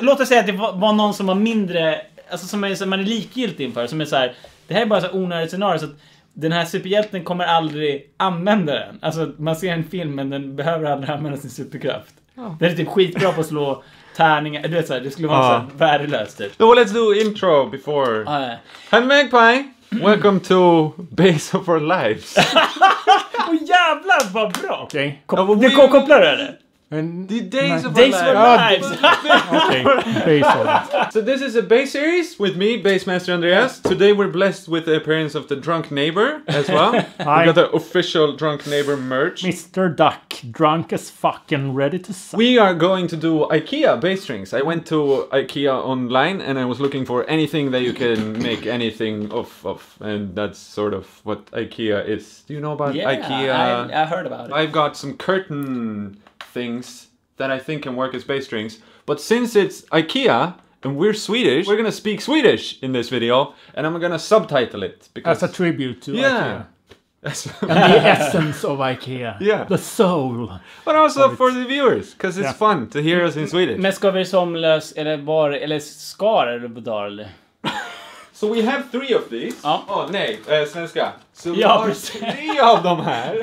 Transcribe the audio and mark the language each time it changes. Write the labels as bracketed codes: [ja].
[sv] Låt oss säga att det var någon som var mindre... Alltså som är, så man är likgiltig inför. Som är så här, det här är bara så onödigt scenario. Så att den här superhjälten kommer aldrig använda den. Alltså man ser en film, men den behöver aldrig använda sin superkraft. Ja. Den är typ skitbra på att slå tärningar. Du vet så här, det skulle vara så värdelöst typ. [en] So let's do intro before. Hi Magpie, welcome to Base of Our Lives. [sv] Oh, jävlar vad bra. Okay. Du kopplar det eller? [en] And the days of days our lives. Lives. Okay, base on. So this is a bass series with me, Bassmaster Andreas. Today we're blessed with the appearance of the drunk neighbor as well. Hi. We got the official drunk neighbor merch. Mr. Duck, drunk as fuck and ready to suck. We are going to do IKEA bass strings. I went to IKEA online and I was looking for anything that you can make anything of. And that's sort of what IKEA is. Do you know about IKEA? Yeah, I heard about it. I've got some curtain... things that I think can work as bass strings, but since it's IKEA and we're Swedish, we're gonna speak Swedish in this video, and I'm gonna subtitle it because as a tribute to IKEA and the essence of IKEA, the soul, but also for the viewers because it's fun to hear us in Swedish. [sv] Men ska vi som lös eller var eller ska eller bedar eller? [en] So we have three of these. [sv] Ja. Oh, nej, svenska. [en] So we have three of them [sv] här.